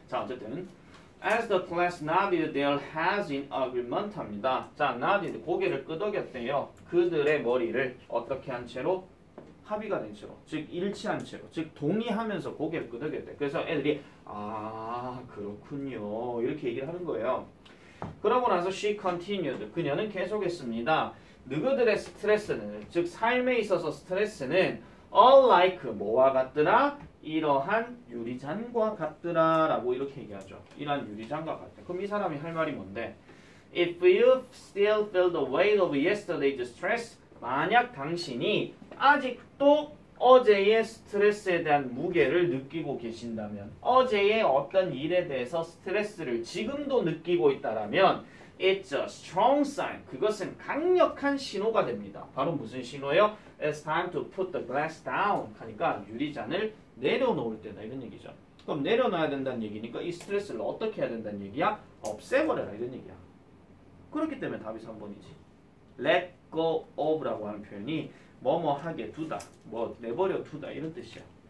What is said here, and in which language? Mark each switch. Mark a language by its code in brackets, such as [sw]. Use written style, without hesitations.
[ko] 자, 어쨌든 [en] As the class nodded, they'll has in agreement [ko] 합니다. 자, nodded 고개를 끄덕였대요. 그들의 머리를 어떻게 한 채로? 합의가 된 채로, 즉 일치한 채로, 즉 동의하면서 고개를 끄덕였대. 그래서 애들이 아 그렇군요 이렇게 얘기를 하는 거예요. 그러고 나서 [en] she continued, [ko] 그녀는 계속했습니다. 너희들의 스트레스는, 즉 삶에 있어서 스트레스는 [en] all like, [ko] 뭐와 같더라? 이러한 유리잔과 같더라 라고 이렇게 얘기하죠. 이러한 유리잔과 같더라. 그럼 이 사람이 할 말이 뭔데? [en] If you still feel the weight of yesterday's stress, [ko] 만약 당신이 아직도 어제의 스트레스에 대한 무게를 느끼고 계신다면, 어제의 어떤 일에 대해서 스트레스를 지금도 느끼고 있다라면, [en] it's a strong sign. [ko] 그것은 강력한 신호가 됩니다. 바로 무슨 신호예요? [en] It's time to put the glass down. [ko] 하니까 유리잔을 내려놓을 때다 이런 얘기죠. 그럼 내려놔야 된다는 얘기니까 이 스트레스를 어떻게 해야 된다는 얘기야? 없애버려라 이런 얘기야. 그렇기 때문에 답이 3번이지. Let go of라고 하는 표현이 뭐뭐하게 두다, 뭐 내버려 두다 이런 뜻이야.